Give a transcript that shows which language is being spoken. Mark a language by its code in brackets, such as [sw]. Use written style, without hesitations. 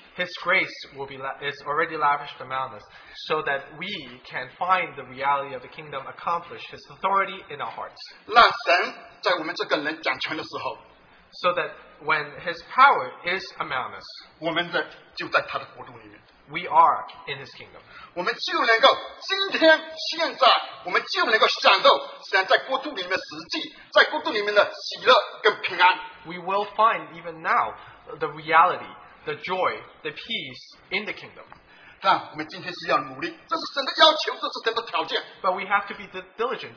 [en] His grace will be is already lavished among us, so that we can find the reality of the kingdom accomplished, His authority in our hearts. [zh] 让神在我们这个人掌权的时候。 [en] so that when his power is anonymous, [zh] 我们就在他的国度里面。 [en] We are in his kingdom. We will find even now the reality, the joy, the peace in the kingdom. But we have to be diligent.